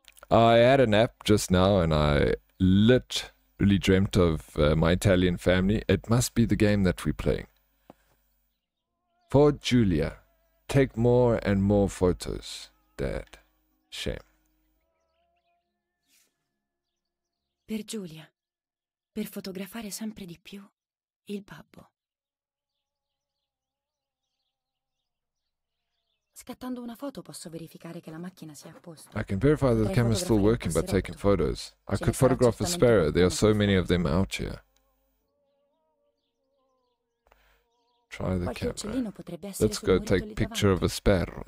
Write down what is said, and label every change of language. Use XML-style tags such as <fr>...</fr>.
<en>I had a nap just now and I... lit really dreamt of my Italian family. It must be the game that we're playing. For Julia, take more and more photos, Dad. Shame.</en> <it>Per Giulia, per fotografare sempre di più, il babbo. Scattando una foto posso verificare che la macchina sia a posto.</it> <en>I can verify that the camera is still working by taking photos. I could photograph the sparrow. There are so many of them out here. Try the camera. Let's go take a picture of a sparrow.</en>